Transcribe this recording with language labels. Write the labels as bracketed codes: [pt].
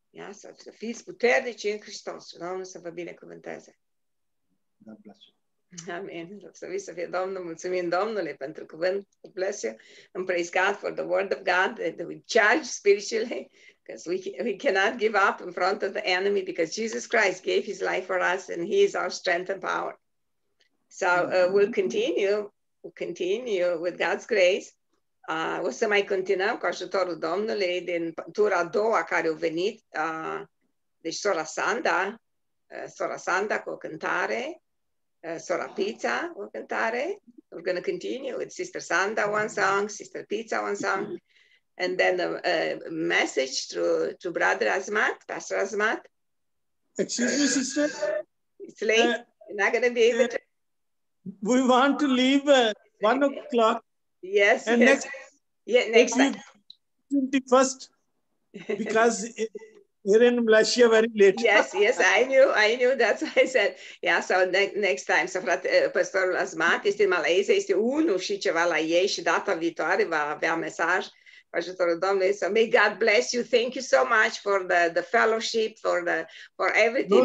[ro] Să fiți puternici în Hristos. Domnul să vă binecuvânteze. [en] God bless you. [ro] Amen. Să vii să fie Domnul. Mulțumim Domnului pentru cuvânt. [en] God bless you. And praise God for the word of God that we charge spiritually because we cannot give up in front of the enemy because Jesus Christ gave his life for us and he is our strength and power. So we'll continue with God's grace. [ro] O să mai continuăm cu ajutorul Domnului din tura a doua care a venit. Deci sora Sanda cu o cântare, sora Pizza cu o cântare. [en] We're going to continue with Sister Sanda one song, Sister Pizza one song, and then a message to Brother Azmat, Pastor Azmat. Excuse me, sister. It's late. You're not going to be able to. We want to leave at 1 o'clock. Yes. And yes. Next, yeah, next week, 21st, because we're in Malaysia very late. Yes, yes, I knew, that's why I said. Yeah, so next time, so [ro] Pastorul Azmat este în Malaysia, este 1 și ceva la ei și data viitoare va avea mesaj cu ajutorul Domnului. [en] So may God bless you. Thank you so much for the fellowship, for everything.